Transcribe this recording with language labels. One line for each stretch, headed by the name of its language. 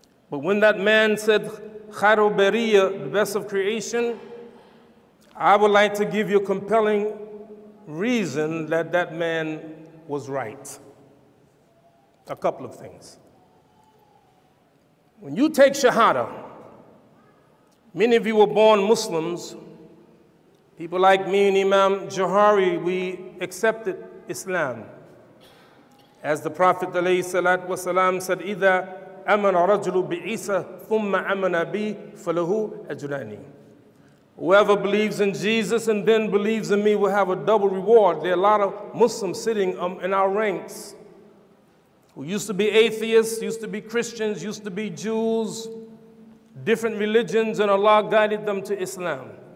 English: But when that man said, Khairu Bariya, the best of creation, I would like to give you a compelling reason that that man was right. A couple of things. When you take Shahada, many of you were born Muslims. People like me and Imam Johari, we accepted Islam. As the Prophet
Arabic: والسلام, said, إِذَا أَمَنَ رَجُلُ بِعِيسَى ثُمَّ أَمَنَ بِي فَلَهُ أَجْرَانِي.
English: Whoever believes in Jesus and then believes in me will have a double reward. There are a lot of Muslims sitting in our ranks who used to be atheists, used to be Christians, used to be Jews, different religions, and Allah guided them to Islam.